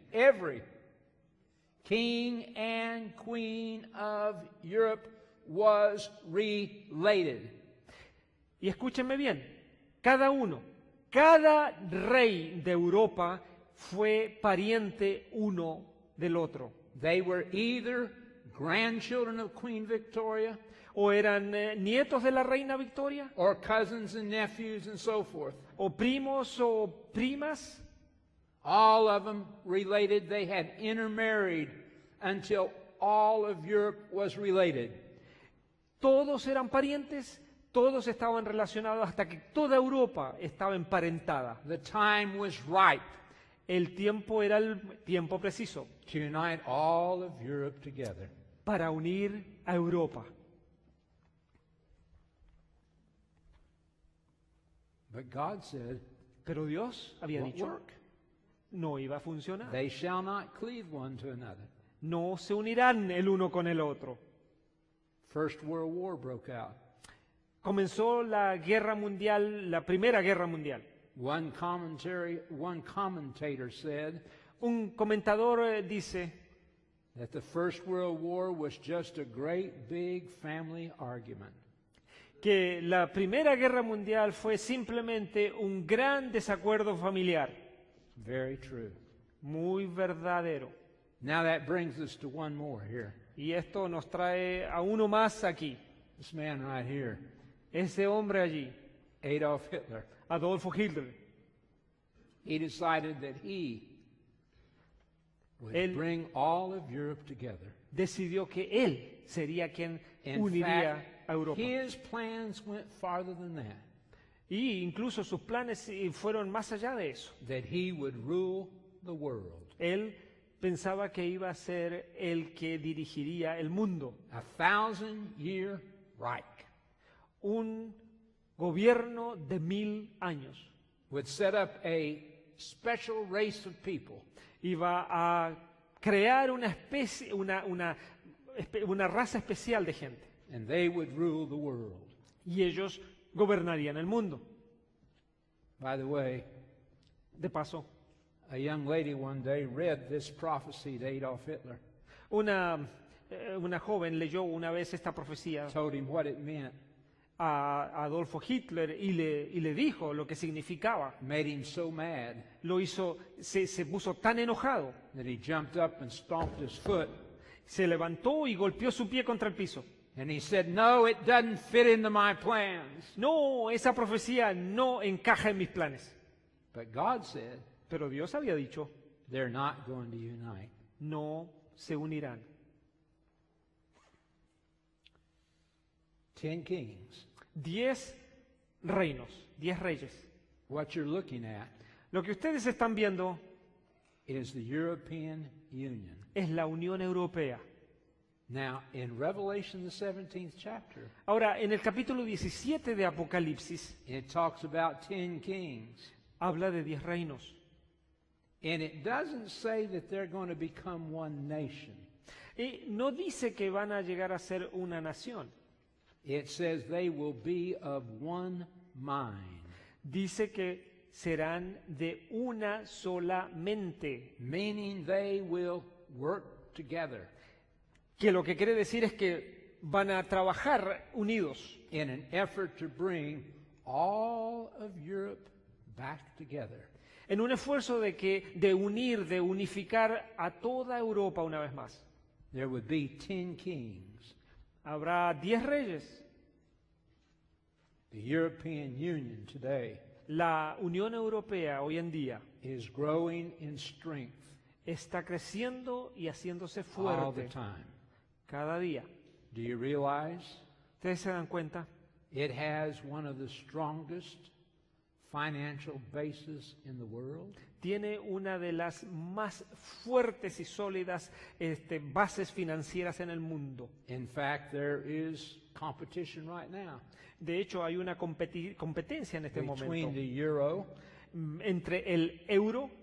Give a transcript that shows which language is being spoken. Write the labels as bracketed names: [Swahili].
[English] Every king and queen of Europe was related. [Spanish] Y escúchenme bien. Cada uno, cada rey de Europa fue pariente uno del otro. [English] They were either grandchildren of Queen Victoria, [Spanish] o eran nietos de la reina Victoria, [English] or cousins and nephews and so forth. [Spanish] O primos o primas. [English] All of them related. They had intermarried until all of Europe was related. [Spanish] Todos eran parientes. Todos estaban relacionados hasta que toda Europa estaba emparentada. [English] The time was ripe. [Spanish] El tiempo era el tiempo preciso. [English] To unite all of Europe together. [Spanish] Para unir a Europa. [English] But God said, [Spanish] pero Dios había dicho, [English] work? [Spanish] No iba a funcionar. [English] They shall not cleave one to another. [Spanish] No se unirán el uno con el otro. [English] First World War broke out. [Spanish] Comenzó la guerra mundial, la primera guerra mundial. [English] One commentator said, [Spanish] un comentador dice, [English] that the First World War was just a great big family argument. [Spanish] Que la primera guerra mundial fue simplemente un gran desacuerdo familiar. [English] Very true. [Spanish] Muy verdadero. [English] Now that brings us to one more here. [Spanish] Y esto nos trae a uno más aquí. [English] This man right here. [Spanish] Ese hombre allí. [English] Adolf Hitler. [Spanish] Adolfo Hitler. [English] He decided that he would bring all of Europe together. [Spanish] Decidió que él sería quien uniría a Europa. [English] His plans went farther than that. [Spanish] Y incluso sus planes fueron más allá de eso. [English] That he would rule the world. [Spanish] Él pensaba que iba a ser el que dirigiría el mundo. [English] A thousand year Reich. [Spanish] Un gobierno de 1,000 años. [English] Would set up a special race of people. [Spanish] Iba a crear una especie, una raza especial de gente. [English] And they would rule the world. [Spanish] Y ellos gobernarían el mundo. [English] By the way, [Spanish] de paso, [English] a young lady one day read this prophecy to Adolf Hitler. [Spanish] Una joven leyó una vez esta profecía. [English] Told him what it meant. [Spanish] A Adolfo Hitler y le dijo lo que significaba. [English] Made him so mad. [Spanish] Lo hizo, se puso tan enojado. [English] That he jumped up and stomped his foot. [Spanish] Se levantó y golpeó su pie contra el piso. [English] And he said, "No, it doesn't fit into my plans." [Spanish] No, esa profecía no encaja en mis planes. [English] But God said, [Spanish] pero Dios había dicho, [English] "They're not going to unite." [Spanish] No se unirán. [English] 10 kings. [Spanish] 10 reinos. 10 reyes. [English] What you're looking at? [Spanish] Lo que ustedes están viendo [English] is the European Union. [Spanish] Es la Unión Europea. [English] Now in Revelation the 17th chapter. [Spanish] Ahora en el capítulo 17 de Apocalipsis. [English] It talks about 10 kings. [Spanish] Habla de 10 reinos. [English] And it doesn't say that they're going to become one nation. [Spanish] Y no dice que van a llegar a ser una nación. [English] It says they will be of one mind. [Spanish] Dice que serán de una sola mente. [English] Meaning they will work together. [Spanish] Que lo que quiere decir es que van a trabajar unidos. [English] In an effort to bring all of Europe back together. [Spanish] En un esfuerzo de que de unificar a toda Europa una vez más. [English] There would be 10 kings. [Spanish] Habrá 10 reyes. [English] The European Union today. [Spanish] La Unión Europea hoy en día [English] is growing in strength. [Spanish] Está creciendo y haciéndose fuerte. [English] All the time. [Spanish] Cada día. [English] Do you realize? [Spanish] ¿Ustedes se dan cuenta? [English] It has one of the strongest financial bases in the world. [Spanish] Tiene una de las más fuertes y sólidas bases financieras en el mundo. [English] In fact, there is competition right now. [Spanish] De hecho, hay una competencia en este [English] between [Spanish] momento. [English] The euro [Spanish] entre el euro